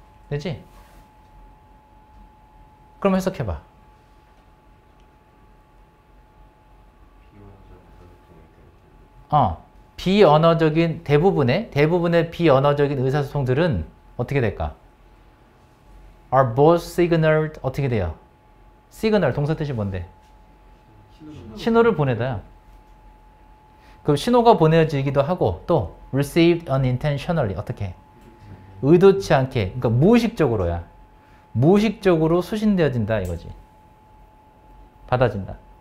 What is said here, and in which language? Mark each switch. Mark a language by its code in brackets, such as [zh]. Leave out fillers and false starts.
[ko] 되지? 그럼 해석해봐. 비언어적인 대부분의 비언어적인 의사소통들은 어떻게 될까? [en] Are both signaled, [ko] 어떻게 돼요? Signal, 동사 뜻이 뭔데? 신호를 보내다. 그 신호가 보내지기도 하고 또 [en] received unintentionally [ko] 어떻게? 의도치 않게. 그러니까 무의식적으로야. 무의식적으로 수신되어진다 이거지. 받아진다.